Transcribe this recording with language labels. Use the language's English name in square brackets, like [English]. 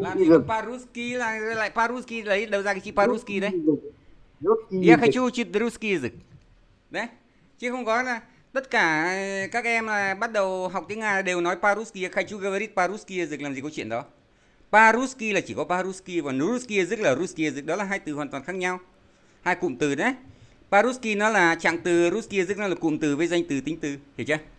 [Vietnamese] Làm gì có Paruski, lại Paruski, lấy đâu ra cái chữ Paruski đấy? [Russian] Я хочу учить русский язык. [Vietnamese] Đấy. Chứ không có là tất cả các em là bắt đầu học tiếng Nga đều nói Paruski, [Russian] я хочу говорить по-русски язык, [Vietnamese] làm gì có chuyện đó. Paruski là chỉ có Paruski và Ruski язык là Ruski язык, đó là hai từ hoàn toàn khác nhau. Hai cụm từ đấy. Paruski nó là trạng từ, Ruski язык nó là cụm từ với danh từ tính từ, hiểu chưa?